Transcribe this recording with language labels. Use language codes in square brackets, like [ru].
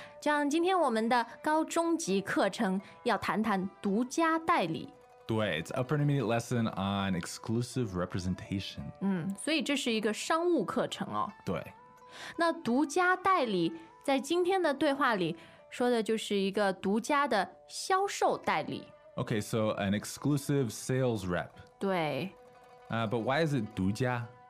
[zh] John, 今天我们的高中级课程要谈谈独家代理。 [en] 对， it's upper intermediate lesson on exclusive representation. [zh] 所以这是一个商务课程哦。对。那独家代理在今天的对话里说的就是一个独家的销售代理。 [en] Okay, so an exclusive sales rep. [zh] 对。 [en] But why is it 独家？